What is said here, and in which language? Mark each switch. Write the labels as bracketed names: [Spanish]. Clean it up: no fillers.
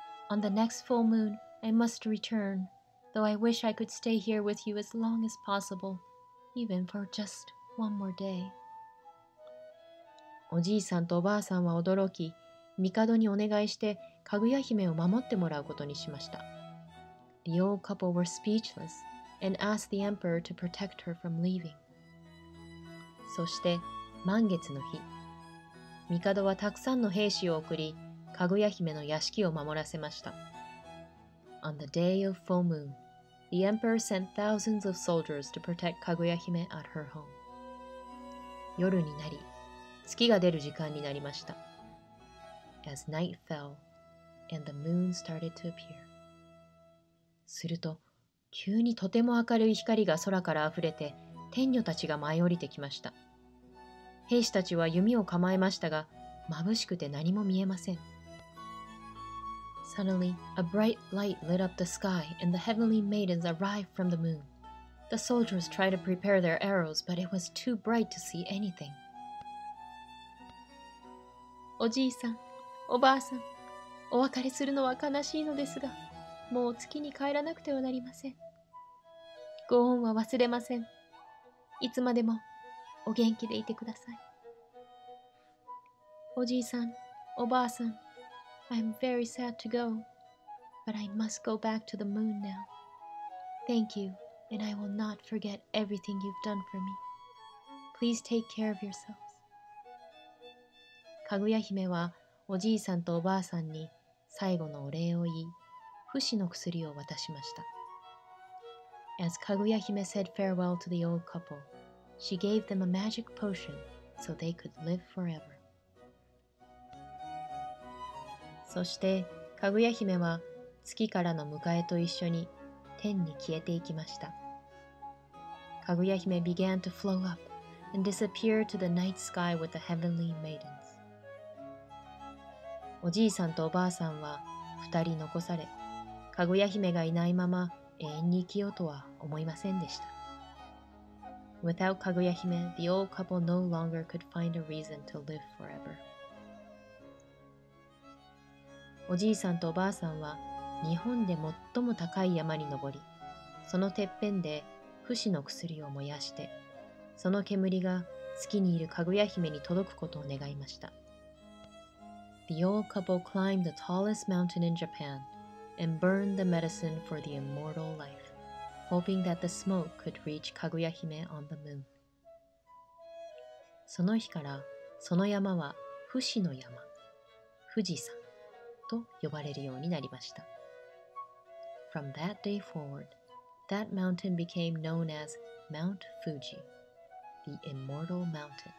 [English] On the next full moon, I must return, though I wish I could stay here with you as long as possible, even for just one more day. [Japanese] おじいさんとおばあさんは驚き、帝にお願いして、かぐや姫を守ってもらうことにしました。 [English] The old couple were speechless and asked the emperor to protect her from leaving. [Japanese] そして、満月の日。帝はたくさんの兵士を送り、かぐや姫の屋敷を守らせました。 [English] On the day of full moon, the emperor sent thousands of soldiers to protect かぐや姫 at her home. [Japanese] 夜になり、月が出る時間になりました。 [English] As night fell, and the moon started to appear. [Japanese] すると、急にとても明るい光が空からあふれて、天女たちが舞い降りてきました。兵士たちは弓を構えましたが、眩しくて何も見えません。 [English] Suddenly, a bright light lit up the sky, and the heavenly maidens arrived from the moon. The soldiers tried to prepare their arrows, but it was too bright to see anything. [Japanese] おじいさん、おばあさん、お別れするのは悲しいのですが、もう月に帰らなくてはなりません。ご恩は忘れません。いつまでも。お元気でいてください。 [English] おじいさん、おばあさん、I'm very sad to go, but I must go back to the moon now. Thank you, and I will not forget everything you've done for me. Please take care of yourselves. [Japanese] かぐや姫はおじいさんとおばあさんに最後のお礼を言い、不死の薬を渡しました。 [English] As かぐや姫 said farewell to the old couple,She gave them a magic potion so they could live forever. [Japanese] そして、かぐや姫は月からの迎えと一緒に天に消えていきました。 [English] かぐや姫 began to flow up and disappear to the night sky with the heavenly maidens. [Japanese] おじいさんとおばあさんは二人残され、かぐや姫がいないまま永遠に生きようとは思いませんでした。 [English] Without Kaguya-hime, the old couple no longer could find a reason to live forever. [Japanese] おじいさんとおばあさんは日本で最も高い山に登り、そのてっぺんで不死の薬を燃やして、その煙が月にいるかぐや姫に届くことを願いました。 [English] The old couple climbed the tallest mountain in Japan and burned the medicine for the immortal life. Hoping that the smoke could reach Kaguya-hime on the moon. [Japanese] その日から、その山は、富士の山、富士山と呼ばれるようになりました。 [English] From that day forward, that mountain became known as Mount Fuji, the immortal mountain.